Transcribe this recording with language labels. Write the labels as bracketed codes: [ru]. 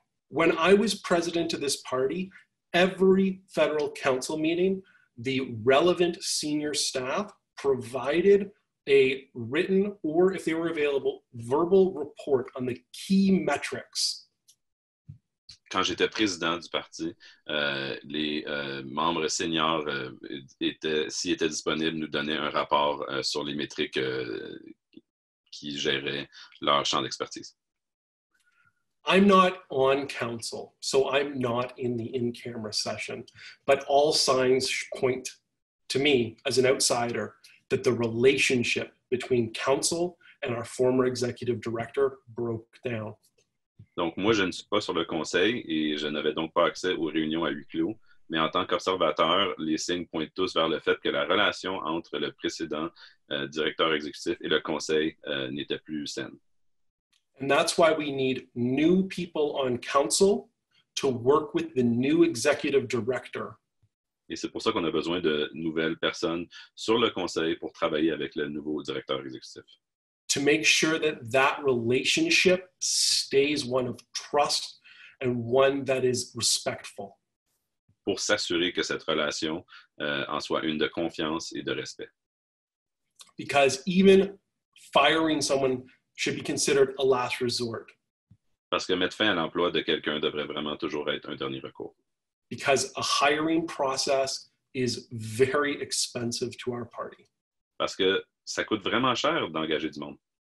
[en] When I was president of this party, every federal council meeting, the relevant senior staff provided a written, or if they were available, verbal report on the key metrics. [fr] Quand j'étais président du parti, les membres seniors étaient disponibles, nous donnaient un rapport sur les métriques qui géraient leur champ d'expertise. [en] I'm not on council, so I'm not in the in-camera session. But all signs point to me, as an outsider, that the relationship between council and our former executive director broke down. [fr] Donc moi, je ne suis pas sur le conseil et je n'avais donc pas accès aux réunions à huis clos. Mais en tant qu'observateur, les signes pointent tous vers le fait que la relation entre le précédent directeur exécutif et le conseil n'était plus saine. [en] And that's why we need new people on council to work with the new executive director. [fr] Et c'est pour ça qu'on a besoin de nouvelles personnes sur le conseil pour travailler avec le nouveau directeur exécutif. [en] To make sure that that relationship stays one of trust and one that is respectful. [fr] Pour s'assurer que cette relation en soit une de confiance et de respect. [en] Because even firing someone should be considered a last resort. [fr] Parce que mettre fin à l'emploi de quelqu'un devrait vraiment toujours être un dernier recours. [en] Because a hiring process is very expensive to our party. [fr] Parce que ça coûte vraiment cher d'engager du monde.